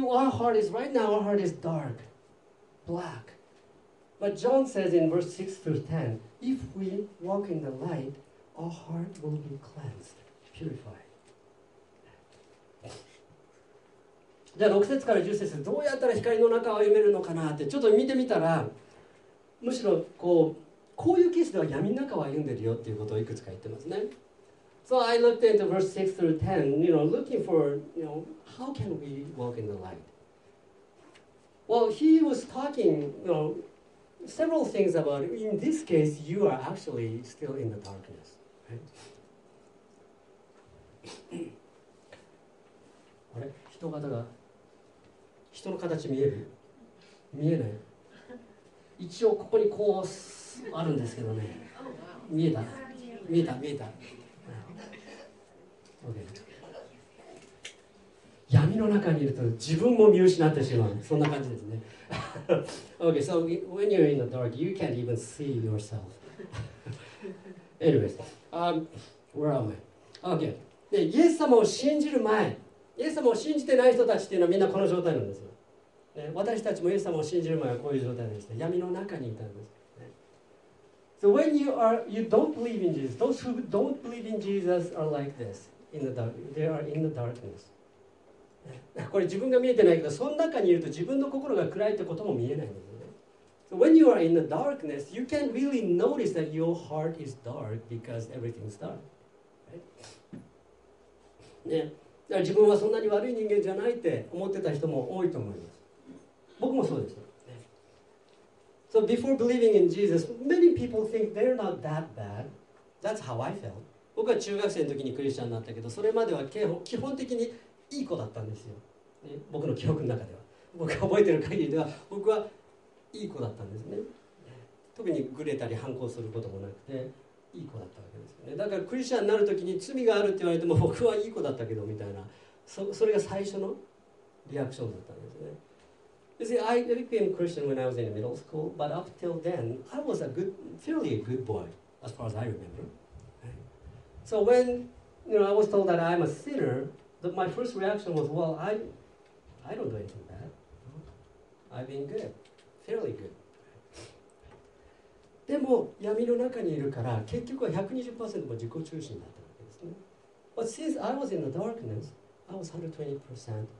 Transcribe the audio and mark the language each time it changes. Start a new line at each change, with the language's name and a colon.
English: You see, our heart is right now. Our heart is dark. Black. But John says in verse 6 through 10, if we walk in the light, our heart will be cleansed, purified.
Japanese: じゃあ6節から10節、どうやったら光の中を歩めるのかなってちょっと見てみたら、むしろこういうケースでは闇の中を歩んでるよっていうことをいくつか言ってますね。
English: So I looked into verse 6 through 10, you know, looking for, you know, how can we walk in the light? Well, he was talking, you know, several things about, in this case, you are actually still in the darkness, right?
Japanese: あれ？人形が、人の形見える？見えない？一応ここにこうあるんですけどね。見えた？見えた、見えた。闇の中にいると自分も見失ってしまう。そんな感じですね。
English: okay, so when you're in the dark, you can't even see yourself. Anyways, where am I? Okay.
Japanese: で、イエス様を信じる前、イエス様を信じてない人たちっていうのはみんなこの状態なんですよ。ね、私たちもイエス様を信じる前はこういう状態でした。闇の中にいたんです。
English: So when you don't believe in Jesus, those who don't believe in Jesus are like this, in the dark. They are in the darkness.
Japanese: これ自分が見えてないけど、その中にいると自分の心が暗いってことも見えないんですね。
English: So、when you are in the darkness, you can't really notice that your heart is dark because everything's dark.、Right?
Japanese: ね、だから自分はそんなに悪い人間じゃないって思ってた人も多いと思います。僕もそうです。
English: ね、so before believing in Jesus, many people think they're not that bad. That's how I felt.
Japanese: 僕は中学生の時にクリスチャンになったけど、それまでは基本的にいい子だったんですよ、ね、僕の記憶の中では、僕が覚えてる限りでは僕はいい子だったんですね。特にグレたり反抗することもなくていい子だったわけですよね。だからクリスチャンになる時に罪があるって言われても僕はいい子だったけどみたいな、 それが最初のリアクションだったんですね。
English: You see, I became a Christian when I was in middle school, but up till then, I was a good, fairly a good boy, as far as I remember. So when, you know, I was told that I'm a sinner, my first reaction was, well, I don't do anything bad. I've been good, fairly good.
Japanese: でも闇の中にいるから結局は 120% も自己中心だったわけですね。
English: But since I was in the darkness, I was 120% selfish.